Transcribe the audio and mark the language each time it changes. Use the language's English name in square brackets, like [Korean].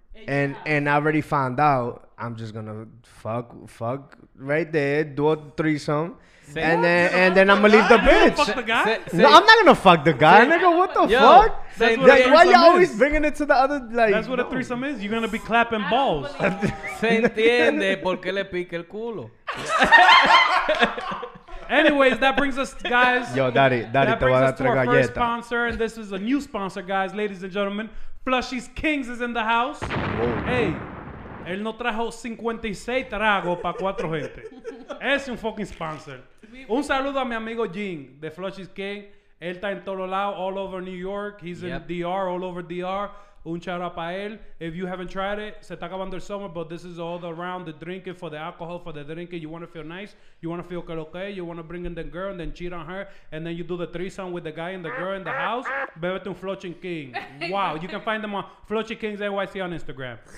[English] And I already found out, I'm just gonna fuck right there, do a threesome. And then I'm gonna leave the bitch. No, I'm not gonna fuck the guy, nigga. What the fuck? Why you always bringing it to the other? Like, that's what a threesome is. You're gonna be clapping balls. [Spanish] Se entiende por qué le pique el culo. [English] Anyways, that brings us, guys. Yo, daddy, that brings us to our first sponsor, and this is a new sponsor, guys, ladies and gentlemen. Flushies Kings is in the house. Hey. [Spanish] Él no trajo 56 tragos para 4 gente. Es un fucking sponsor. Un saludo a mi amigo Jim de Flushies King. Él está en todo lado, [English] all over New York. He's in DR, all over DR. [Spanish] Un shout out para él. [English] If you haven't tried it, [Spanish] se está acabando el summer, [English] but this is all the round, the drinking, for the alcohol, for the drinking. You want to feel nice. You want to feel que. You want to bring in the girl and then cheat on her. And then you do the threesome with the guy and the girl in the house. [Spanish] Bebete un Flushing King. [English] Wow. You can find them on Flushing Kings NYC on Instagram.